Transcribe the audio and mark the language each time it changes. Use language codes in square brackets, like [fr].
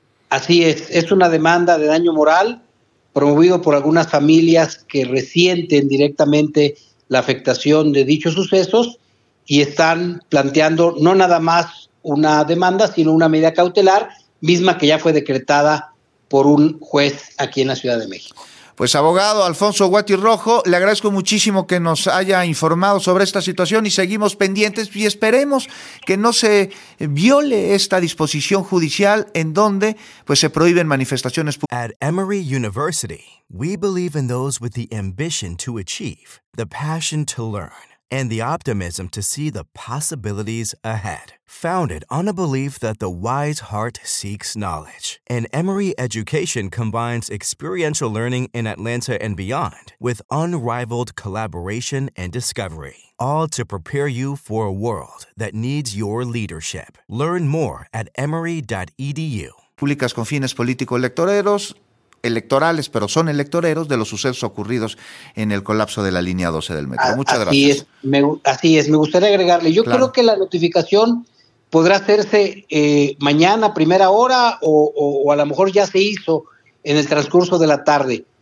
[es] Así es una demanda de daño moral promovido por algunas familias que resienten directamente la afectación de dichos sucesos y están planteando no nada más una demanda, sino una medida cautelar, misma que ya fue decretada por un juez aquí en la Ciudad de México. Pues abogado Alfonso Guatirrojo, le agradezco muchísimo que nos haya informado sobre esta situación y seguimos pendientes y esperemos que no se viole esta disposición judicial en donde pues se prohíben manifestaciones públicas. [en] At Emory University, we believe in those with the ambition to achieve, the passion to learn, and the optimism to see the possibilities ahead. Founded on a belief that the wise heart seeks knowledge, and Emory Education combines experiential learning in Atlanta and beyond with unrivaled collaboration and discovery, all to prepare you for a world that needs your leadership. Learn more at emory.edu. [es] Públicas con fines político-electoreros. Electorales, pero son electoreros de los sucesos ocurridos en el colapso de la línea 12 del metro. Muchas gracias. Así es, me gustaría agregarle. Yo creo que la notificación podrá hacerse mañana, primera hora, o a lo mejor ya se hizo en el transcurso de la tarde.